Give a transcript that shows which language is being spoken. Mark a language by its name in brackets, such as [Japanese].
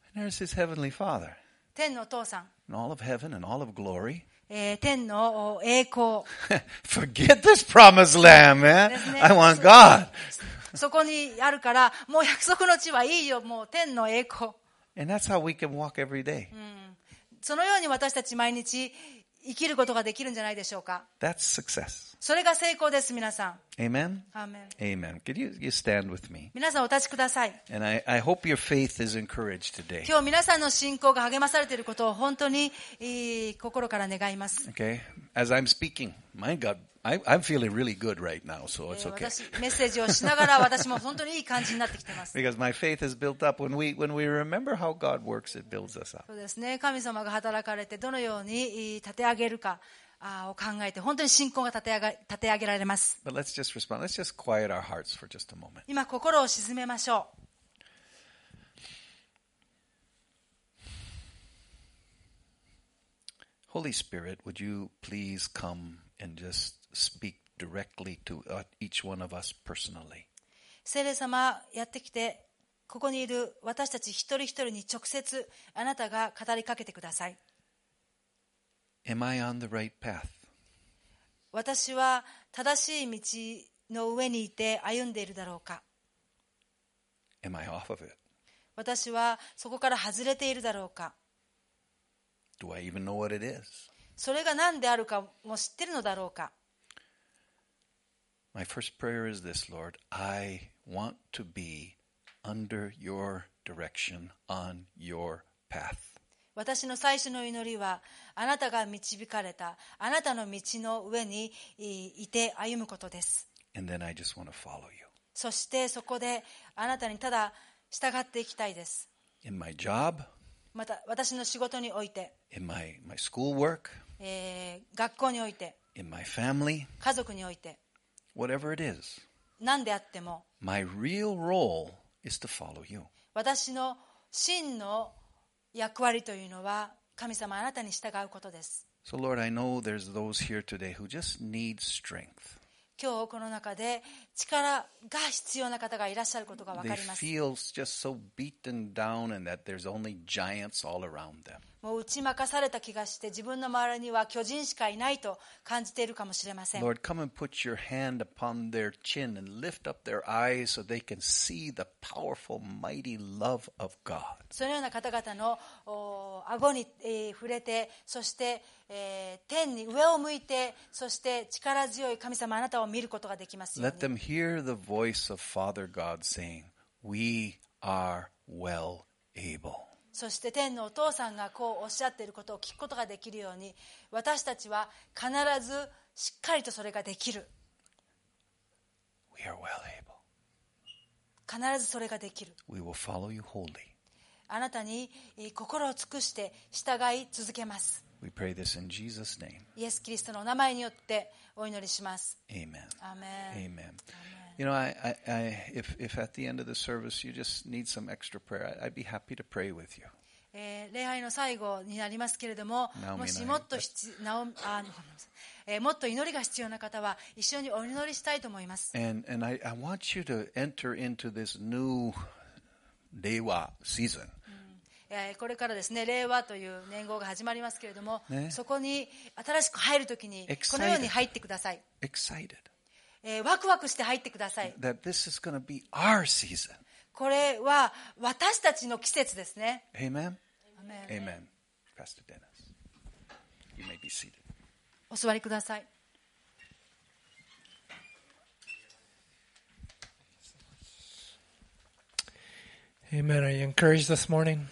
[English] And there's his heavenly father. [Japanese] 天のお父さん。 [English] And all of heaven and all of glory. [Japanese] 天の栄光。 [English] Forget this promised land, man. I want God. [Japanese] そこにあるから、もう約束の地はいいよ、もう天の栄光。 [English] And that's how we can walk every day. [Japanese] そのように私たち毎日生きることができるんじゃないでしょうか。 [English] That's success. [Japanese] それが成功です、皆さん。 [English] Amen. Amen. Amen. Could you stand with me? [Japanese] 皆さんお立ちください。 [English] And I hope your faith is encouraged today. [Japanese] 今日皆さんの信仰が励まされていることを本当に心から願います。 [English] Okay. As I'm speaking, my God, I'm feeling really good right now, so it's okay. [Japanese] 私メッセージをしながら私も本当にいい感じになってきてます。 [English] Because my faith is built up. When we remember how God works, it builds us up. [Japanese] そうですね。神様が働かれてどのように立て上げるか。を考えて本当に信仰が立て上げられます。 [English] But let's just respond. Let's just quiet our hearts for just a moment. [Japanese] 今心を静めましょう。 [English] Holy Spirit, would you please come and just speak directly to each one of us personally? [Japanese] 聖霊様、やってきてここにいる私たち一人一人に直接あなたが語りかけてください。 [English] Am I on the right path? [Japanese] 私は正しい道の上にいて歩んでいるだろうか。 [English] Am I off of it? [Japanese] 私はそこから外れているだろうか。 [English] Do I even know what it is? [Japanese] それが何であるかも知ってるのだろうか。 [English] My first prayer is this, Lord. I want to be under your direction on your path. [Japanese] 私の最初の祈りは、あなたが導かれた、あなたの道の上にいて歩むことです。 [English] And then I just want to follow you. [Japanese] そしてそこであなたにただ従っていきたいです。 [English] In my job, [Japanese] また私の仕事において、 [English] In my school work, [Japanese] 学校において、 [English] In my family, [Japanese] 家族において、 [English] Whatever it is, [Japanese] 何であっても、 [English] My real role is to follow you. [Japanese] 私の真の役割というのは神様あなたに従うことです。 [English] So Lord, I know there's those here today who just need strength. [Japanese] 今日この中で力が必要な方がいらっしゃることがわかります。 [English] They feel just so beaten down and that there's only giants all around them. [Japanese] もう打ち負かされた気がして自分の周りには巨人しかいないと感じているかもしれません。 [English] Lord, come and put your hand upon their chin and lift up their eyes so they can see the powerful, mighty love of God. [Japanese] そのような方々の顎に、触れて、そして、天に上を向いて、そして力強い神様あなたを見ることができますように。 [English] Let them hear the voice of Father God saying, "We are well able." [Japanese] そして天のお父さんがこうおっしゃっていることを聞くことができるように、私たちは必ずしっかりとそれができる。 [English] We are well able. [Japanese] 必ずそれができる。 [English] We will follow you wholly. [Japanese] あなたに心を尽くして従い続けます。 [English] We pray this in Jesus' name. [Japanese] イエス・キリストのお名前によってお祈りします。 [English] Amen. Amen. Amen. You know, if at the end of the service you just need some extra prayer, I'd be happy to pray with you. [Japanese] 礼拝の最後になりますけれども、もしもっと必要なもっと祈りが必要な方は一緒にお祈りしたいと思います。 [English] And I want you to enter into this new令和シーズン、 [Japanese] これからですね、令和という年号が始まりますけれども、ね、そこに新しく入るときにこのように入ってください。 [English] Excited. [Japanese] ワクワクして入ってください。 [English] That this is going to be our season. [Japanese] これは私たちの季節ですね。 [English] Amen. Amen. Amen. Pastor Dennis, you may be seated. [Japanese] お座りください。 [English] Amen. Are you encouraged this morning?